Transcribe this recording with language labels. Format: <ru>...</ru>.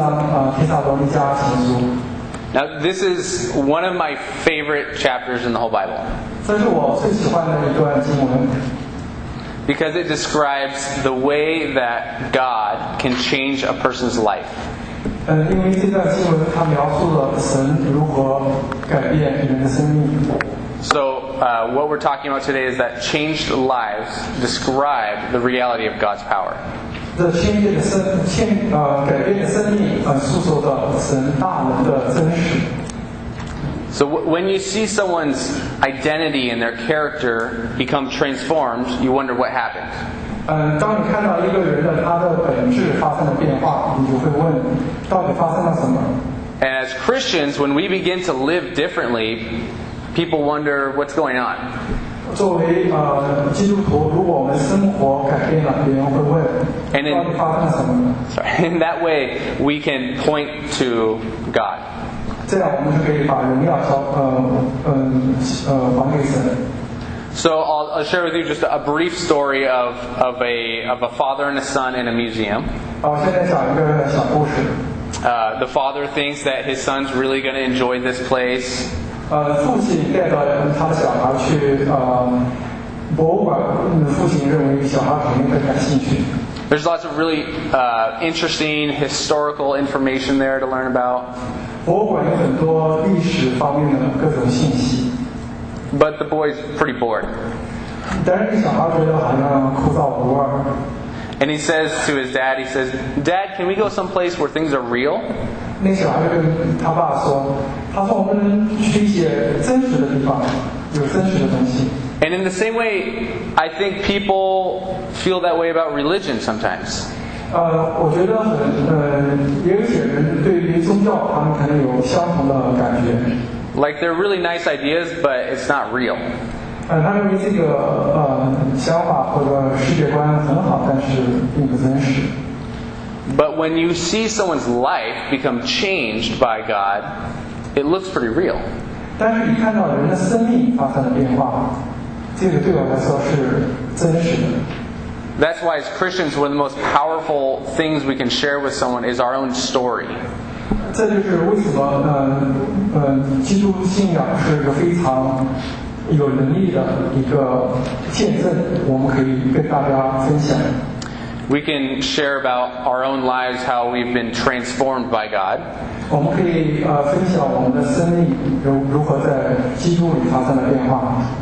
<en>Now, this is one of my favorite chapters in the whole Bible.</en> <zh>这是我最喜欢的一段经文。</zh> <en>Because it describes the way that God can change a person's life.</en> <zh>因为这段经文它描述了神如何改变人的生命。</zh> <en>So, what we're talking about today is that changed lives describe the reality of God's power.</en> <zh>这改变的生命诉说着神大能的真实。</zh> <en>So when you see someone's identity and their character become transformed, you wonder what happened.</en> <zh>当你看到一个人的他的本质发生了变化，你就会问，到底发生了什么？</zh> <en>And as Christians, when we begin to live differently, people wonder what's going on.</en> <zh>作为基督徒，如果我们生活改变了，别人会问。</zh> <en>And in that way, we can point to God.</en> <zh>这样我们就可以把荣耀还给神。</zh> <en>So I'll share with you just a brief story of a father and a son in a museum.</en> <zh>现在讲一个小故事。</zh> <en>The father thinks that his son's really going to enjoy this place.</en> <zh>父亲带着他的小孩去博物馆，父亲认为小孩肯定会感兴趣。</zh> <en>There's lots of really interesting historical information there to learn about.</en> <zh>博物馆有很多历史方面的各种信息。</zh> <en>But the boy's pretty bored.</en> <zh>但是小孩觉得好像枯燥无味。</zh> <en>And he says to his dad, he says, Dad, can we go someplace where things are real?</en> <zh>那小孩跟他爸说，他说我们能去一些真实的地方，有真实的东西。</zh> <en>And in the same way, I think people feel that way about religion sometimes.</en> <zh>我觉得有些人对于宗教，他们可能有相同的感觉。</zh> <en>Like they're really nice ideas, but it's not real.</en> <zh>他认为这个想法或者世界观很好，但是并不真实。</zh> <en>But when you see someone's life become changed by God, it looks pretty real.</en> <zh>但是你看到人的生命发生了变化。这个对我来说是真实的。</zh> <en>That's why as Christians, one of the most powerful things we can share with someone is our own story.</en> <zh>这就是为什么基督信仰是一个非常有能力的一个见证，我们可以跟大家分享。</zh> <en>We can share about our own lives, how we've been transformed by God.</en> <zh>我们可以分享我们的生命如何在基督里发生了变化。</zh>